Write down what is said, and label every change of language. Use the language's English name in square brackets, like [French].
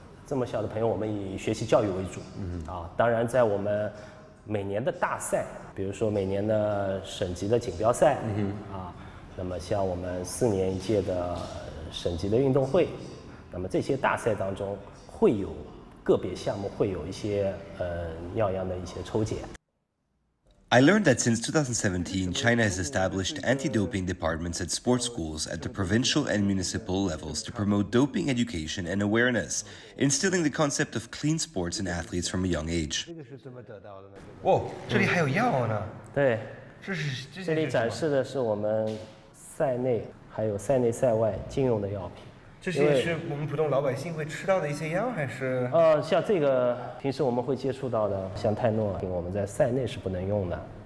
[Chinese] 这么小的朋友，我们以学习教育为主。当然在我们每年的大赛，比如说每年的省级的锦标赛，那么像我们4年一届的。省级的运动会，那么这些大赛当中会有个别项目会有一些尿样的一些抽检。 [English] I learned that since 2017, China has established anti-doping departments at sports schools at the provincial and municipal levels to promote doping education and awareness, instilling the concept of clean sports in athletes from a young age. [Chinese] Whoa, 这里还有药呢？对，这里展示的是我们赛内还有赛内赛外禁用的药品。这些是我们普通老百姓会吃到的一些药，还是？像这个平时我们会接触到的，像泰诺，我们在赛内是不能用的。